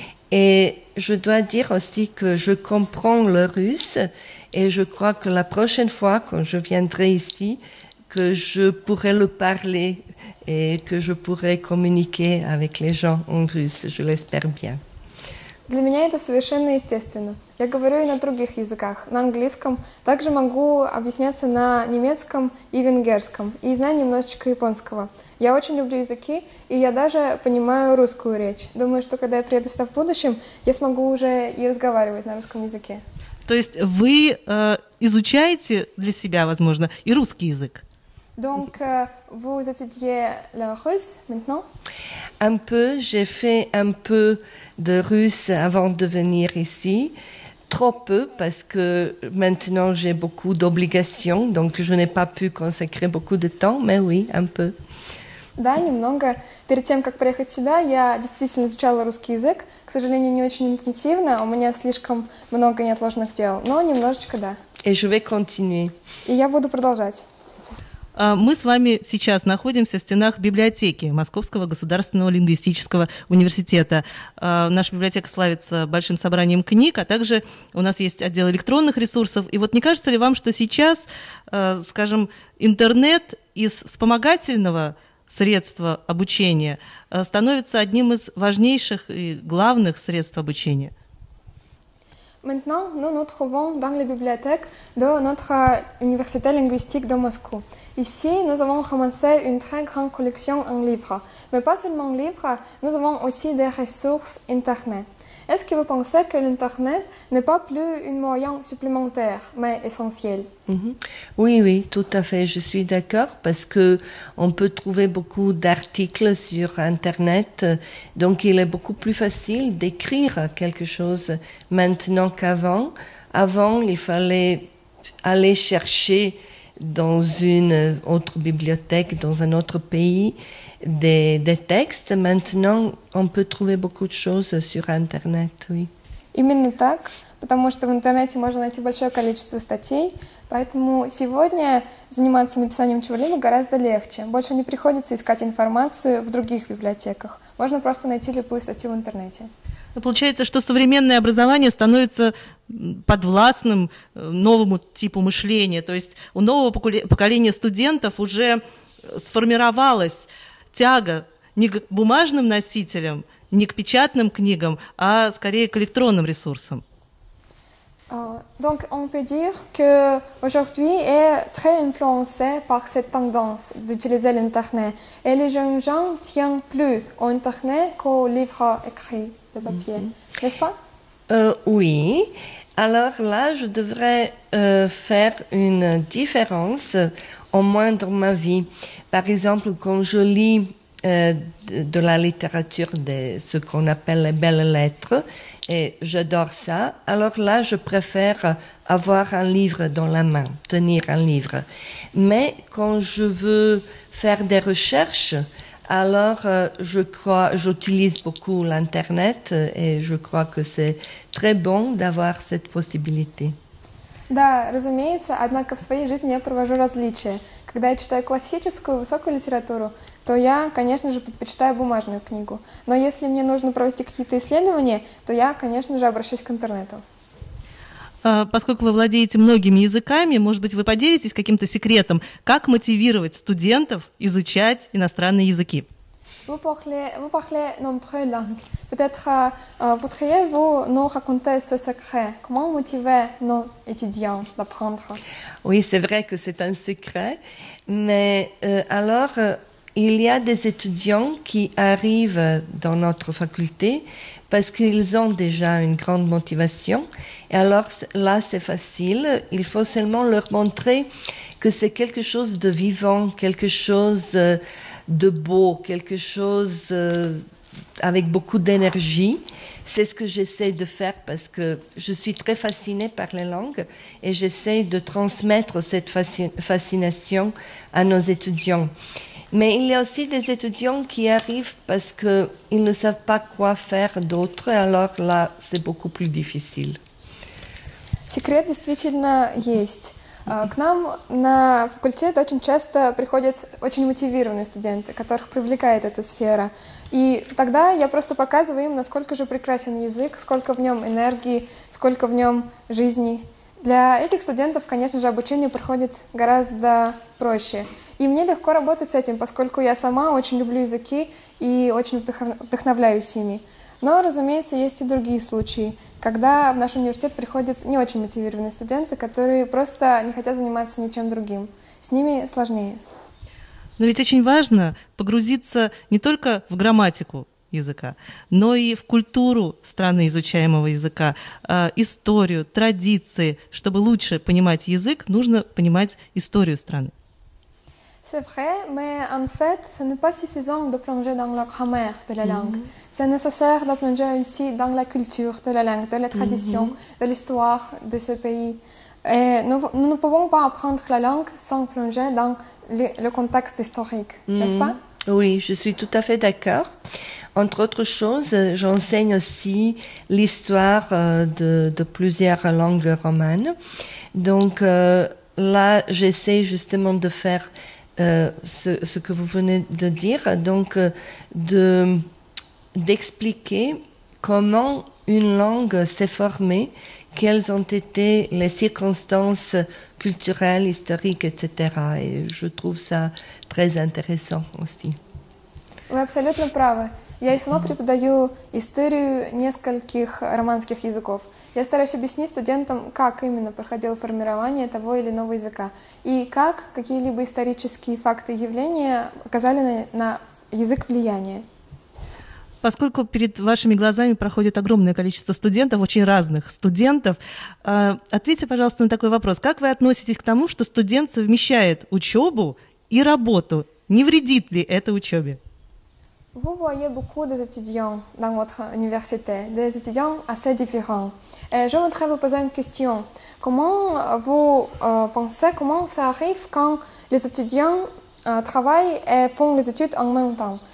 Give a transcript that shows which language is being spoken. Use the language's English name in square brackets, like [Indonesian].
[French] Et je dois dire aussi que je comprends le russe. Et je crois que la prochaine fois, quand je viendrai ici, que je pourrai le parler et que je pourrai communiquer avec les gens en russe. Je l'espère bien. [Russian] Для меня это совершенно естественно. Я говорю и на других языках, на английском. Также могу объясняться на немецком и венгерском. И знаю немножечко японского. Я очень люблю языки, и я даже понимаю русскую речь. Думаю, что когда я приеду сюда в будущем, я смогу уже и разговаривать на русском языке. То есть вы изучаете для себя, возможно, и русский язык? [French] Donc, vous étudiez le russe maintenant? Un peu, j'ai fait un peu de russe avant de venir ici. Trop peu, parce que maintenant j'ai beaucoup d'obligations, donc je n'ai pas pu consacrer beaucoup de temps, mais oui, un peu. [Russian] Да, немного. Перед тем, как приехать сюда, я действительно изучала русский язык. К сожалению, не очень интенсивно, у меня слишком много неотложных дел, но немножечко, да. [French] Et je vais continuer. [Russian] И я буду продолжать. Мы с вами сейчас находимся в стенах библиотеки Московского государственного лингвистического университета. Наша библиотека славится большим собранием книг, а также у нас есть отдел электронных ресурсов. И вот не кажется ли вам, что сейчас, скажем, интернет из вспомогательного средства обучения становится одним из важнейших и главных средств обучения? [French] Maintenant, nous nous trouvons dans la bibliothèque de notre université linguistique de Moscou. Ici, nous avons commencé une très grande collection en livres. Mais pas seulement livres, nous avons aussi des ressources Internet. Est-ce que vous pensez que l'Internet n'est pas plus un moyen supplémentaire, mais essentiel? Oui, oui, tout à fait. Je suis d'accord parce qu'on peut trouver beaucoup d'articles sur Internet. Donc, il est beaucoup plus facile d'écrire quelque chose maintenant qu'avant. Avant, il fallait aller chercher dans une autre bibliothèque, dans un autre pays, des textes. Maintenant, on peut trouver beaucoup de choses sur Internet, oui. [Russian] Именно так, потому что в интернете можно найти большое количество статей, поэтому сегодня заниматься написанием чего-либо гораздо легче. Больше не приходится искать информацию в других библиотеках. Можно просто найти любую статью в интернете. Получается, что современное образование становится подвластным новому типу мышления. То есть у нового поколения студентов уже сформировалась тяга не к бумажным носителям, не к печатным книгам, а скорее к электронным ресурсам. [French] Donc on peut dire que aujourd'hui est très influencé par cette tendance d'utiliser l'internet et les jeunes gens tiennent plus au internet qu'aux livres écrits de papier, n'est-ce pas? Oui. Alors là, je devrais faire une différence au moins dans ma vie. Par exemple, quand je lis de la littérature, de ce qu'on appelle les belles lettres, et j'adore ça, alors là, je préfère avoir un livre dans la main, tenir un livre. Mais quand je veux faire des recherches, alors je crois, j'utilise beaucoup l'Internet et je crois que c'est très bon d'avoir cette possibilité. [Russian] Да, разумеется, однако в своей жизни я провожу различия. Когда я читаю классическую, высокую литературу, то я, конечно же, предпочитаю бумажную книгу. Но если мне нужно провести какие-то исследования, то я, конечно же, обращусь к интернету. Поскольку вы владеете многими языками, может быть, вы поделитесь каким-то секретом, как мотивировать студентов изучать иностранные языки? [French] Vous parlez nombreuses langues. Peut-être voudriez-vous nous raconter ce secret? Comment motiver nos étudiants d'apprendre? Oui, c'est vrai que c'est un secret. Mais alors, il y a des étudiants qui arrivent dans notre faculté parce qu'ils ont déjà une grande motivation. Et alors là, c'est facile. Il faut seulement leur montrer que c'est quelque chose de vivant, quelque chose de beau, quelque chose avec beaucoup d'énergie. C'est ce que j'essaie de faire parce que je suis très fascinée par les langues et j'essaie de transmettre cette fascination à nos étudiants. Mais il y a aussi des étudiants qui arrivent parce qu'ils ne savent pas quoi faire d'autre, alors là, c'est beaucoup plus difficile. [Russian] Secret, действительно, есть. К нам на факультет очень часто приходят очень мотивированные студенты, которых привлекает эта сфера. И тогда я просто показываю им, насколько же прекрасен язык, сколько в нем энергии, сколько в нем жизни. Для этих студентов, конечно же, обучение проходит гораздо проще. И мне легко работать с этим, поскольку я сама очень люблю языки и очень вдохновляюсь ими. Но, разумеется, есть и другие случаи, когда в наш университет приходят не очень мотивированные студенты, которые просто не хотят заниматься ничем другим. С ними сложнее. Но ведь очень важно погрузиться не только в грамматику языка, но и в культуру страны изучаемого языка, историю, традиции. Чтобы лучше понимать язык, нужно понимать историю страны. [French] C'est vrai, mais en fait, ce n'est pas suffisant de plonger dans la grammaire de la langue. Mm-hmm. C'est nécessaire de plonger aussi dans la culture de la langue, de la tradition, mm-hmm. de l'histoire de ce pays. Et nous ne pouvons pas apprendre la langue sans plonger dans le contexte historique, mm-hmm. n'est-ce pas? Oui, je suis tout à fait d'accord. Entre autres choses, j'enseigne aussi l'histoire de plusieurs langues romanes. Donc là, j'essaie justement de faire ce que vous venez de dire, donc d'expliquer comment une langue s'est formée, quelles ont été les circonstances culturelles, historiques, etc. Et je trouve ça très intéressant aussi. [Russian] Вы абсолютно правы. Я и сама преподаю историю нескольких романских языков. Я стараюсь объяснить студентам, как именно проходило формирование того или иного языка, и как какие-либо исторические факты и явления оказали на язык влияние. Поскольку перед вашими глазами проходит огромное количество студентов, очень разных студентов, ответьте, пожалуйста, на такой вопрос. Как вы относитесь к тому, что студент совмещает учебу и работу? Не вредит ли это учебе? [French] Vous voyez beaucoup des étudiants dans votre université, des étudiants assez différents. Et je voudrais vous poser une question. Comment vous pensez, comment ça arrive quand les étudiants travaillent et font les études en même temps?